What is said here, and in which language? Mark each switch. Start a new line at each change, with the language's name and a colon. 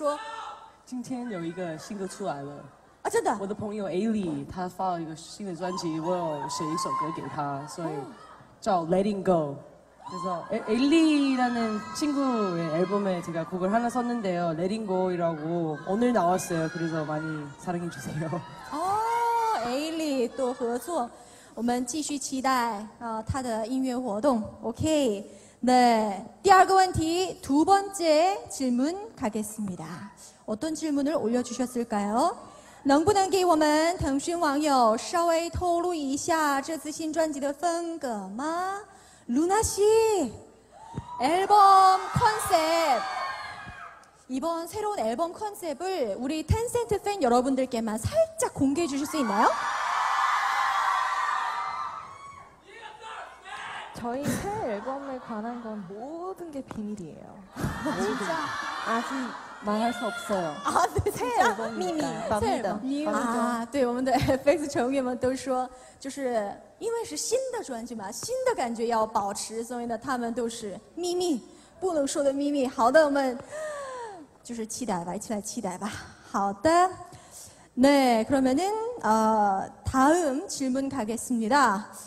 Chinese: Amber就是在那个就是作曲啊、作词方面特别出色嘛，所以我忘了这个新专辑能不能就是听到他的歌曲。然后他说，今天有一个新歌出来了。
Korean: 아,
Chinese: 真的? 我的朋友 Ailey 她发了一个新的专辑，我有写一首歌给她，所以叫《Letting Go》。
Korean: 그래서 Ailey 라는 친구의 앨범에 제가 곡을 하나 썼는데요, Letting Go 이라고 오늘 나왔어요. 그래서 많이 사랑해 주세요.
Chinese: 哦，Ailey
Korean: 또
Chinese: 合作，我们继续期待她的音乐活动。
Korean: OK，네，
Chinese: 第二个问题，
Korean: 두번째질문가겠습니다。 어떤질문을올려주셨을까요？
Chinese: 能不能给我们腾讯网友稍微透露一下这次新专辑的风格吗？
Korean: 露娜西，앨범 컨셉 이번 새로운 앨범 컨셉을 우리 텐센트 팬 여러분들께만 살짝 공개해 주실 수 있나요? 저희 새 앨범에 관한 건 모든 게 비밀이에요. 진짜? 아직 말할 수 없어요. 아, 네, 새 진짜? 앨범이니까. 미미, 새 앨범. 아, 맞습니다. 맞습니다.
Chinese: 对，我们的 FX 成员们都说，就是因为是新的专辑嘛，新的感觉要保持，所以呢，他们都是秘密，不能说的秘密。好的，我们就是期待吧，期待吧。好的。
Korean: 네, 그러면은 다음 질문 가겠습니다.